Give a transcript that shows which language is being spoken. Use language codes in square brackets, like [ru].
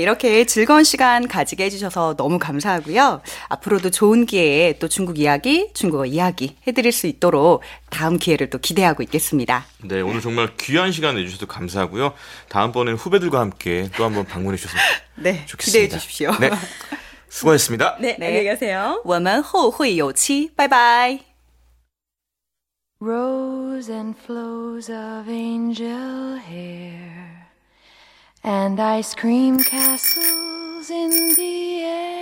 [ko] 이렇게 즐거운 시간 가지게 해주셔서 너무 감사하고요. 앞으로도 좋은 기회에 또 중국 이야기, 중국어 이야기 해드릴 수 있도록 다음 기회를 또 기대하고 있겠습니다. 네, 오늘 정말 귀한 시간 내주셔서 감사하고요. 다음번엔 후배들과 함께 또 한번 방문해 주셔서 네, 좋겠습니다. 네, 기대해 주십시오. 네, 수고하셨습니다. 네, 네. 안녕히 가세요. [zh] 我们 后会有期, [ko] 바이바이. [en] Rose and flows of angel hair and ice cream castles in the air.